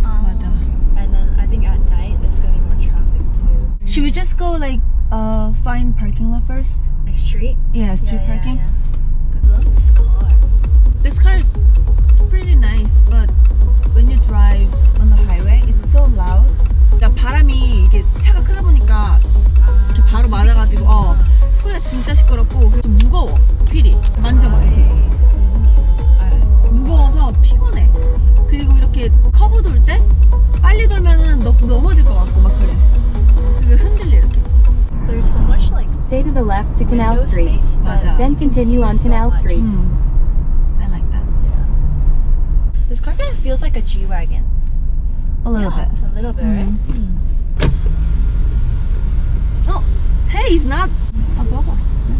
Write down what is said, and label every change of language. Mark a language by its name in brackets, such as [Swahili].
[English] And then I think at night it's gonna be more traffic too. Should we just go like find parking lot first? Like street? Yeah, street parking. Love this car. This car is pretty nice, but when you drive on the highway, it's so loud. [Korean] 그러니까 바람이 이게 차가 크다 보니까 이렇게 바로 맞아가지고 소리가 진짜 시끄럽고 그리고 좀 무거워. 휠이 만져봐요. 무거워서 피곤해. 그리고 이렇게 커브 돌 때 빨리 돌면은 넘어질 것 같고 막 그래. 그리고 흔들려 이렇게. [English] There's so much like stay to the left to Canal Street. Space, then continue on Canal Street. I like that. Yeah. This car kind of feels like a G-Wagon. A little bit, right? Oh, hey, it's not above us.